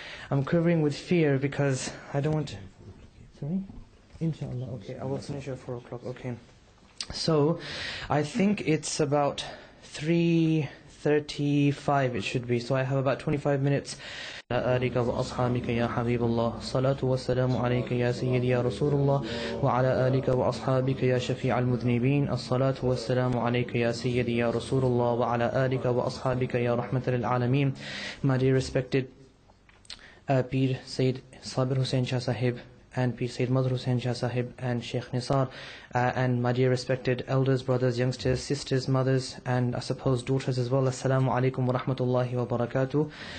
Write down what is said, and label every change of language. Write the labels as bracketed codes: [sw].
[en] I'm quivering with fear because I don't want to... Sorry? Inshallah, okay. I will finish at 4 o'clock, okay. So I think it's about 3:35 it should be. So I have about 25 minutes. [ar] أريك وأصحابك يا حبيب الله صلاة والسلام عليك يا سيدي يا رسول الله وعلى آلك وأصحابك يا شفيع المذنبين الصلاة والسلام عليك يا سيدي يا رسول الله وعلى آلك وأصحابك يا رحمة للعالمين. [en] My dear respected Pir Sayyid Sabir Hussain Shah Sahib and Pir Sayyid Madar Hussain Shah Sahib and Sheikh Nisar, and my dear respected elders, brothers, youngsters, sisters, mothers, and I suppose daughters as well. Assalamu alaikum wa rahmatullahi wa barakatuh.